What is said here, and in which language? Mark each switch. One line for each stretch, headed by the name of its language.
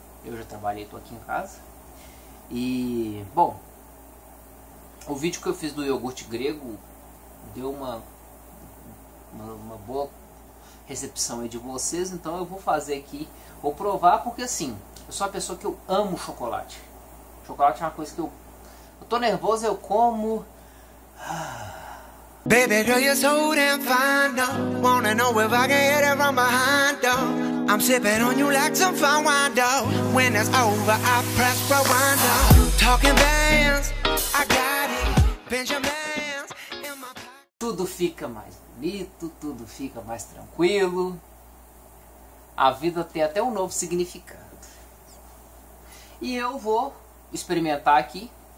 Portuguese: Eu já trabalhei, tô aqui em casa. E, bom, o vídeo que eu fiz do iogurte grego deu uma boa recepção aí de vocês, então eu vou fazer aqui, vou provar, porque assim, eu sou uma pessoa que eu amo chocolate. Chocolate é uma coisa que eu tô nervoso, eu como.
English: Baby, girl, you're so damn fine, though. Wanna know if I can hit it from behind, though. I'm sipping on you like some fine wine, though. When it's over, I press rewind, though. Talking bands, I got it. Benjamin's in my pocket.
Portuguese: Tudo fica mais bonito, tudo fica mais tranquilo. A vida tem até um novo significado. E eu vou experimentar aqui.